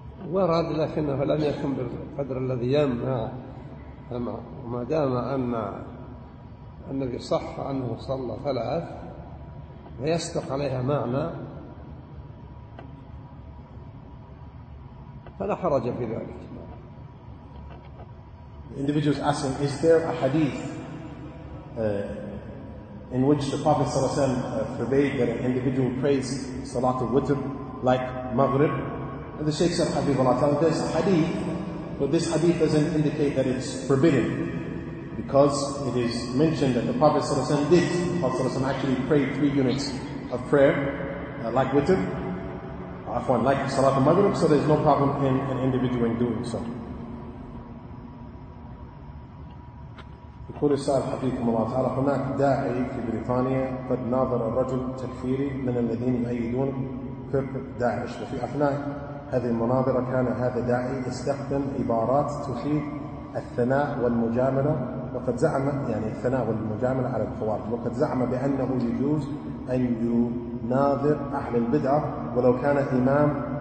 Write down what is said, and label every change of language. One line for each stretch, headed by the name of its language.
Arabic: ورد لكنه لم يكن بالقدر الذي يمنع، وما دام أن النبي صح أنه صلى ثلاث ويصدق عليها معنى فلا حرج في ذلك.
English: The individual is asking, is there a hadith in which the Prophet sallallahu alaihi wasallam forbade that an individual prays Salat al-Witr like Maghrib? And the Shaykh said, Habibullah Ta'ala, there's a hadith, but this hadith doesn't indicate that it's forbidden, because it is mentioned that the Prophet sallallahu alaihi wasallam actually prayed three units of prayer like Witr, like Salat al-Maghrib, so there's no problem in an individual in doing so.
Arabic: يقول السائل حفظكم الله تعالى هناك داعي في بريطانيا قد ناظر الرجل تكفيري من الذين يؤيدون فرق داعش وفي أثناء هذه المناظرة كان هذا داعي يستخدم عبارات تفيد الثناء والمجاملة وقد زعم يعني الثناء والمجاملة على الخوارج وقد زعم بأنه يجوز أن يناظر أهل البدعة ولو كان إمام